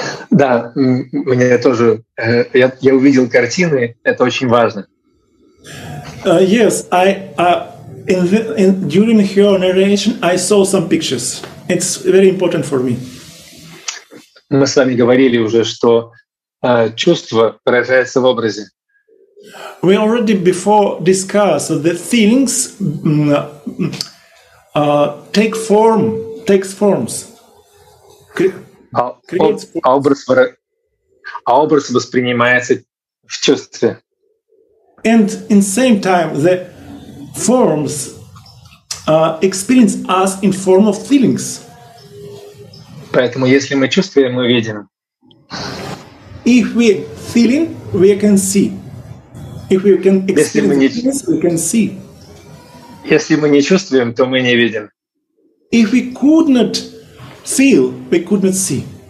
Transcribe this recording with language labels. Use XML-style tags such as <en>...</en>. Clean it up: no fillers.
<ru>Да, мне тоже. Я увидел картины. Это очень важно.</ru> <en>Yes, I during her narration I saw some pictures. It's very important for me.</en> <ru>Мы с вами говорили уже, что чувство проявляется в образе.</ru> <en>We already before discussed that the feelings takes forms.</en> <ru>Образ воспринимается в чувстве.</ru> <en>And in same time, the forms experience us in form of feelings.</en> <ru>Поэтому, если мы чувствуем, мы видим.</ru> <en>If we feeling, we can see. If we can experience, we can see.</en> <ru>Если мы не чувствуем, то мы не видим.</ru> <en>If we could not feel, we could not see.</en>